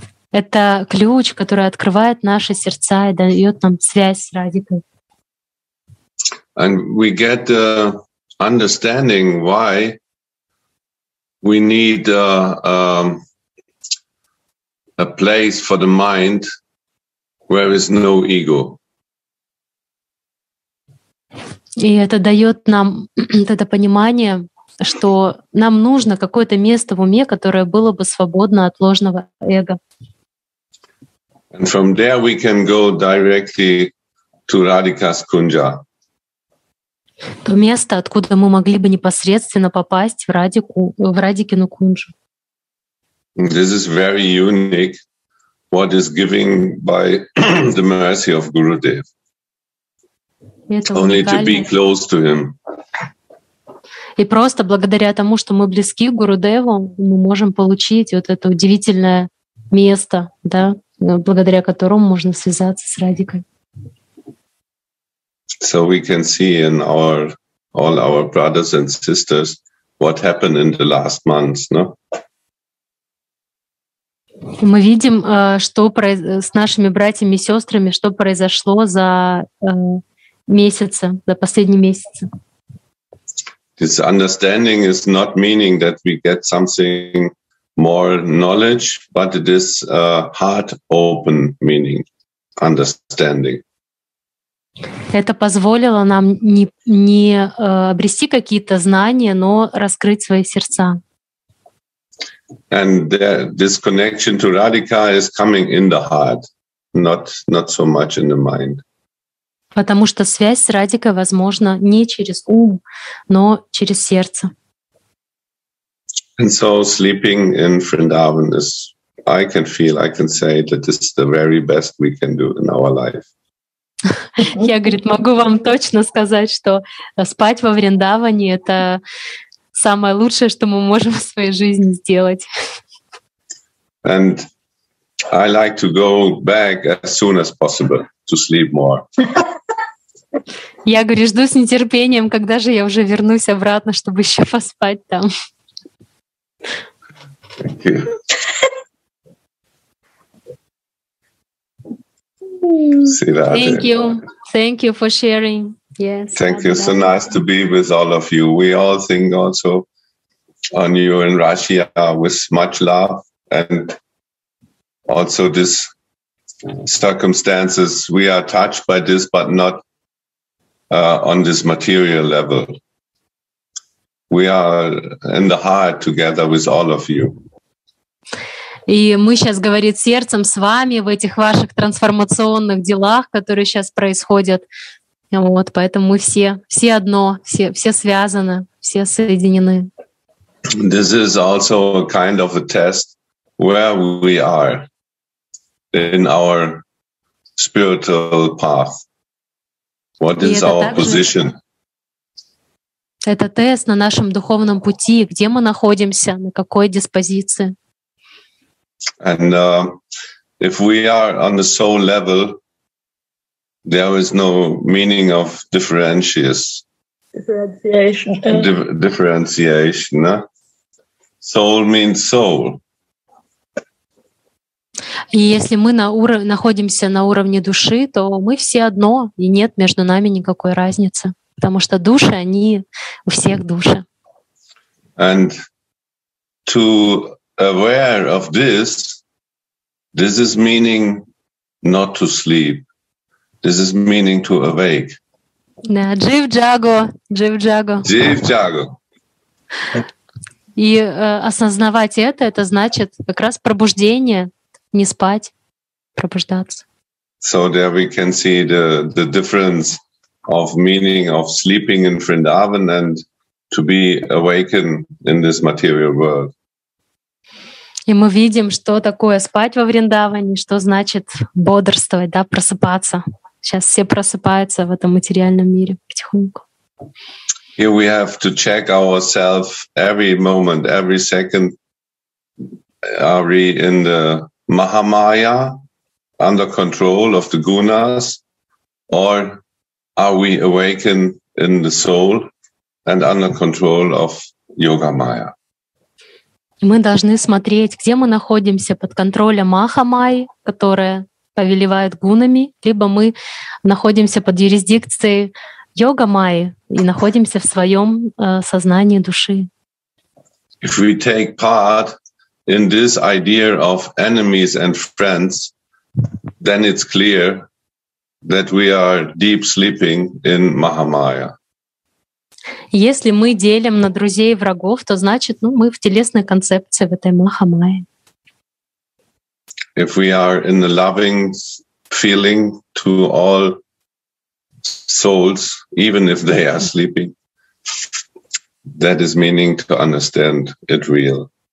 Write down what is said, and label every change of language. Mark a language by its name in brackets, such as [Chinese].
[Russian] Это ключ, который открывает наши сердца и дает нам связь с Радикой. [English] And we get the understanding why we need a place for the mind where is no ego. [Russian] И это дает нам это понимание, что нам нужно какое-то место в уме, которое было бы свободно от ложного эго. [English] And from there we can go directly to Radhika's Kunja. [Russian] То место, откуда мы могли бы непосредственно попасть в Радику, в Радикину Кунджу. [English] This is very unique, what is given by the mercy of Gurudev. Only to be close to him. [Russian] И просто благодаря тому, что мы близки к Гурудеву, мы можем получить вот это удивительное место, да, благодаря которому можно связаться с Радикой. [English] So we can see in all our brothers and sisters what happened in the last months, no? [Russian] Мы видим, что с нашими братьями и сестрами, что произошло за месяца, за последние месяцы. [English] This understanding is not meaning that we get something more knowledge, but it is a heart open meaning, understanding. [Russian] Это позволило нам не обрести какие-то знания, но раскрыть свои сердца. [English] And this connection to Radhika is coming in the heart, not so much in the mind. [Russian] Потому что связь с Радикой возможна не через ум, но через сердце. [English] And so sleeping in Vrindavan is, I can feel, I can say that this is the very best we can do in our life. [Russian] Я, говорит, могу вам точно сказать, что спать во Вриндаване — это самое лучшее, что мы можем в своей жизни сделать. [English] And I like to go back as soon as possible to sleep more. [Russian] Я, говорю, жду с нетерпением, когда же я уже вернусь обратно, чтобы еще поспать там. [English] Thank you. Thank you for sharing. Yes. Thank you. So nice to be with all of you. We all think also on you in Russia with much love, and also this circumstances. We are touched by this, but not on this material level. We are in the heart together with all of you. [Russian] И мы сейчас говорим сердцем с вами в этих ваших трансформационных делах, которые сейчас происходят. Вот, поэтому мы все одно, все связаны, все соединены. [English] This is also a kind of a test where we are in our spiritual path. What is our position? [Russian] Это тест на нашем духовном пути, где мы находимся, на какой диспозиции. [English] And if we are on the soul level, there is no meaning of differentiation. Huh? Soul means soul. [Russian] И если мы находимся на уровне души, то мы все одно, и нет между нами никакой разницы, потому что души, они у всех души. [English] And to aware of this, this is meaning not to sleep. This is meaning to awake. [Russian] Да, джив-джаго. Джив-джаго. И осознавать это значит как раз пробуждение, не спать, пробуждаться. [English] So there we can see the difference of meaning of sleeping in Vrindavan and to be awakened in this material world. [Russian] И мы видим, что такое спать во Вриндаване, что значит бодрствовать, да, просыпаться. Сейчас все просыпаются в этом материальном мире потихоньку. [English] Here we have to check ourselves every moment, every second. Are we in the Mahamaya, under control of the gunas, or are we awakened in the soul and under control of Yoga Maya? [Russian] Мы должны смотреть, где мы находимся под контролем Махамай, которая повелевает гунами, либо мы находимся под юрисдикцией Йога Майи и находимся в своем сознании души. [English] If we take part in this idea of enemies and friends, then it's clear that we are deep sleeping in Mahamaya. [Russian] Если мы делим на друзей и врагов, то значит, мы в телесной концепции в этой Махамае. [English] If we are in a loving feeling to all souls, even if they are sleeping, that is meaning to understand it real.